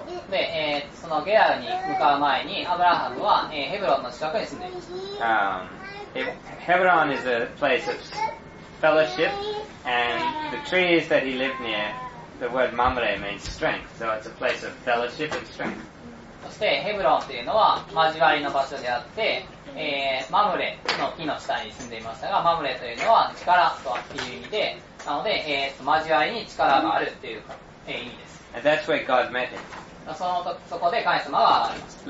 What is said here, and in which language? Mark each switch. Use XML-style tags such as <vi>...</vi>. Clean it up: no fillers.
<ja>で、そのゲラに向かう前にアブラハムは、ヘブロンの近くに住んでいました。</ja> <en>Hebron is a place of fellowship, and the trees that he lived near, the word Mamre means strength, so it's a place of fellowship and strength.</en> <ja>そしてヘブロンというのは交わりの場所であって、マムレの木の下に住んでいましたが、マムレというのは力という意味で、なので、交わりに力があるという意味です。</ja> <en>And that's where God met him.</en> <ja>そこで神様が現れました。</ja>